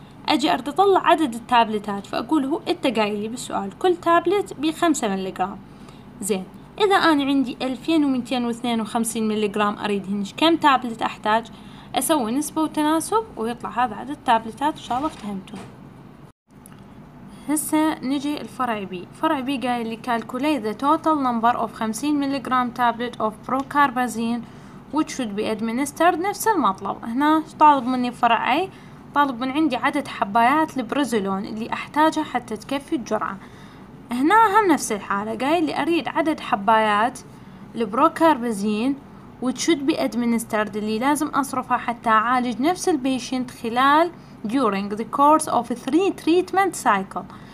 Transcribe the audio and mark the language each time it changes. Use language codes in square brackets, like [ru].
[ar] أجي أرد أطلع عدد التابلتات، فأقول هو التقايلي بالسؤال كل تابلت بخمسة ملي جرام. زين، إذا أنا عندي 2252 ملي جرام أريد هنش كم تابلت أحتاج؟ أسوي نسبة وتناسب ويطلع هذا عدد التابلتات. إن شاء الله افتهمتوا. هسه نجي الفرع بي. فرع بي قايل لي [en] calculate the total number of 50 [ar] ملي جرام تابلت [en] of procarbazine which should be administered. [ar] نفس المطلب هنا طالب مني فرع أي، طالب من عندي عدد حبايات البرازيلون اللي أحتاجها حتى تكفي الجرعة. هنا هم نفس الحالة، قايل لي أريد عدد حبايات البروكاربازين [en] which should be administered [ar] اللي لازم أصرفها حتى أعالج نفس البيشنت خلال [en] during the course of three treatment cycle.